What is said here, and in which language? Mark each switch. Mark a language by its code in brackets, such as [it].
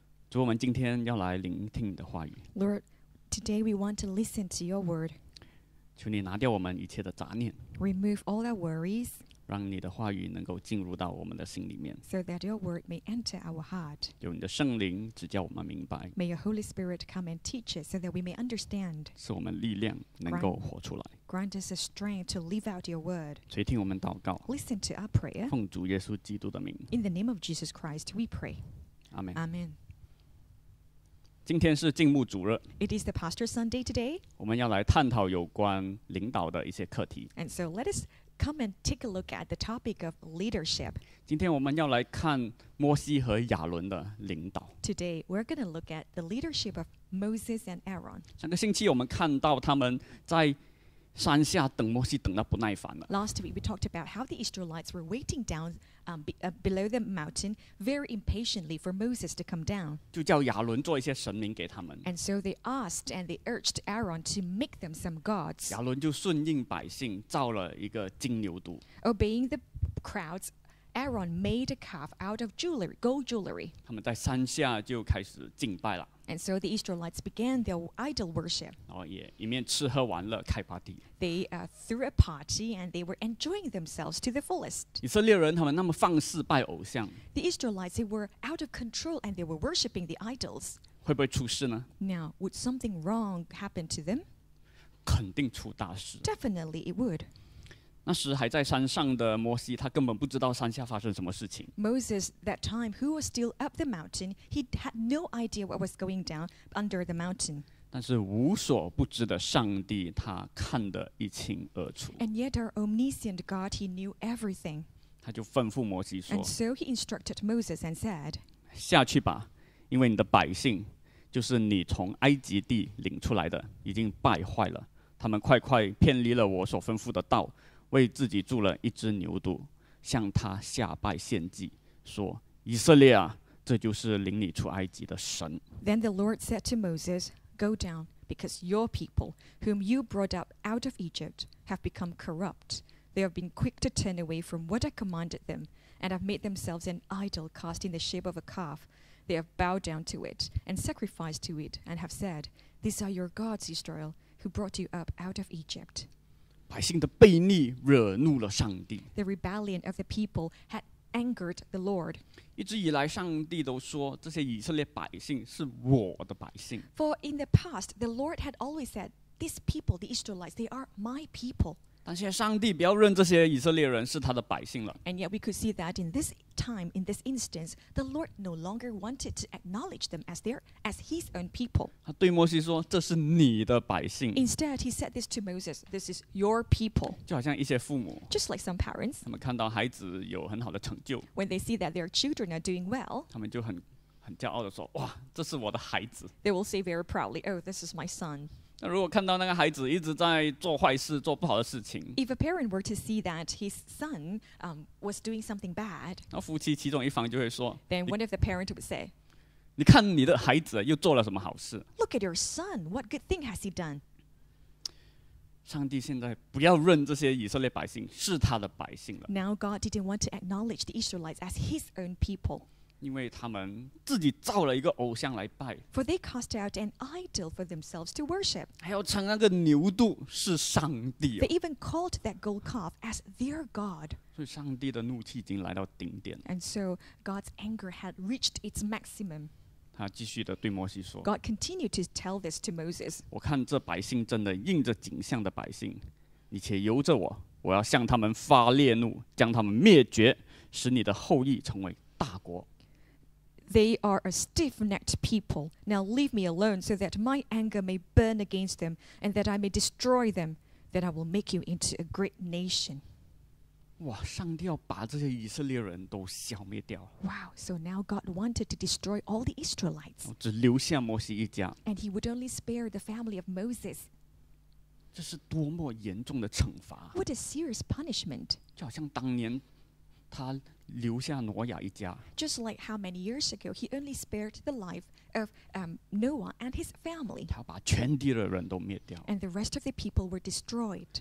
[zh] 主，我们今天要来聆听你的话语。 [en] Lord, today we want to listen to your word. [zh] 求你拿掉我们一切的杂念。 [en] Remove all our worries. [zh] 让你的话语能够进入到我们的心里面。 [en] So that your word may enter our heart. [zh] 有你的圣灵指教我们明白。 [en] May your Holy Spirit come and teach us so that we may understand. [zh] 赐我们力量能够活出来。 [en] Grant us the strength to live out your word. [zh] 垂听我们祷告。 [en] Listen to our prayer. [zh] 奉主耶稣基督的名。 [en] In the name of Jesus Christ, we pray. Amen. Amen. [zh] 今天是敬慕主日。 [en] It is the Pastor Sunday today. [zh] 我们要来探讨有关领导的一些课题。 [en] And so let us... Come and take a look at the topic of leadership. [zh] 今天我们要来看摩西和亚伦的领导。 [en] Today, we're going to look at the leadership of Moses and Aaron. [zh] 上个星期我们看到他们在山下等摩西等到不耐烦了。 [en] Last week, we talked about how the Israelites were waiting down, below the mountain very impatiently for Moses to come down. [zh] 就叫亚伦做一些神明给他们。 [en] And so they asked and they urged Aaron to make them some gods. [zh] 亚伦就顺应百姓，造了一个金牛犊。 [en] Obeying the crowds, Aaron made a calf out of jewelry, gold jewelry. [zh] 他们在山下就开始敬拜了。 [en] And so the Israelites began their idol worship. Oh, yeah. [zh] 一面吃喝玩乐开 party. [en] They threw a party and they were enjoying themselves to the fullest. [zh] 以色列人他们那么放肆拜偶像。 [en] The Israelites, they were out of control and they were worshiping the idols. [zh] 会不会出事呢? [en] Now, would something wrong happen to them? [zh] 肯定出大事。 [en] Definitely it would. [zh] 那时还在山上的摩西，他根本不知道山下发生什么事情。 [en] Moses, that time, who was still up the mountain, he had no idea what was going down under the mountain. [zh] 但是无所不知的上帝，他看得一清二楚。 [en] And yet our omniscient God, he knew everything. [zh] 他就吩咐摩西说。 [en] And so he instructed Moses and said, [zh] 下去吧，因为你的百姓，就是你从埃及地领出来的，已经败坏了。他们快快偏离了我所吩咐的道，为自己铸了一只牛犊，向他下拜献祭，说：以色列啊，这就是领你出埃及的神。 [en] Then the Lord said to Moses, Go down, because your people, whom you brought up out of Egypt, have become corrupt. They have been quick to turn away from what I commanded them, and have made themselves an idol cast in the shape of a calf. They have bowed down to it, and sacrificed to it, and have said, These are your gods, Israel, who brought you up out of Egypt. [zh] 百姓的悖逆惹怒了上帝。 [en] The rebellion of the people had angered the Lord. [zh] 一直以来上帝都说这些以色列百姓是我的百姓。 [en] For in the past, the Lord had always said, These people, the Israelites, they are my people. [zh] 但现在上帝不要认这些以色列人是他的百姓了。 [en] And yet we could see that in this time, in this instance, the Lord no longer wanted to acknowledge them as his own people. [zh] 他对摩西说这是你的百姓。 [en] Instead, he said this to Moses, this is your people. [zh] 就好像一些父母。 [en] Just like some parents. [zh] 他们看到孩子有很好的成就。 [en] When they see that their children are doing well. [zh] 他们就很骄傲地说哇这是我的孩子。 [en] They will say very proudly, oh, this is my son. [zh] 那如果看到那个孩子一直在做坏事做不好的事情 [en] If a parent were to see that his son was doing something bad [zh] 那夫妻其中一方就会说 [en] Then one of the parents would say [zh] 你看你的孩子又做了什么好事 [en] Look at your son, what good thing has he done? [zh] 上帝现在不要认这些以色列百姓是他的百姓了 [en] Now God didn't want to acknowledge the Israelites as his own people [zh] 因为他们自己造了一个偶像来拜 [en] For they cast out an idol for themselves to worship. [zh] 还要称那个牛犊是上帝、啊、 [en] They even called that gold calf as their God. [zh] 所以上帝的怒气已经来到顶点 [en] And so God's anger had reached its maximum. [zh] 他继续的对摩西说 [en] God continued to tell this to Moses. [zh] 我看这百姓真的应着景象的百姓你且由着我我要向他们发烈怒将他们灭绝使你的后裔成为大国 [en] They are a stiff-necked people. Now leave me alone so that my anger may burn against them and that I may destroy them. Then I will make you into a great nation. [zh] 哇，上帝要把这些以色列人都消灭掉。 [en] Wow, so now God wanted to destroy all the Israelites. [zh] 只留下摩西一家。 [en] And he would only spare the family of Moses. [zh] 这是多么严重的惩罚。 [en] What a serious punishment. [zh] 就好像当年他留下挪亚一家。 [en] Just like how many years ago, he only spared the life of Noah and his family. [zh] 他把全地的人都灭掉。 [en] And the rest of the people were destroyed.